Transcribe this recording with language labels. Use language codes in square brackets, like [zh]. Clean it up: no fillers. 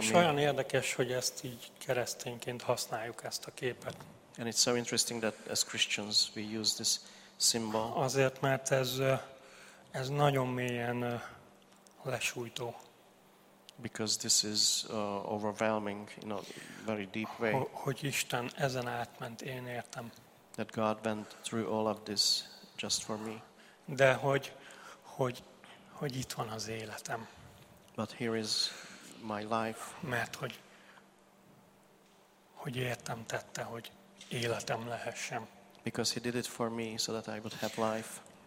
[en] me. [hu] És olyan érdekes, hogy ezt így keresztényként használjuk ezt a képet. [en] And it's so interesting that as Christians we use this symbol. [hu] Azért, mert ez nagyon mélyen lesújtó. [en] Because this is overwhelming in a very deep way. [hu] Hogy Isten ezen átment én értem. [en] That God went through all of this just for me. [hu] De hogy itt van az életem. [en] But here is my life. [hu] Mert hogy értem tette, hogy életem lehessen. [en] Because he did it for me so that I would have life.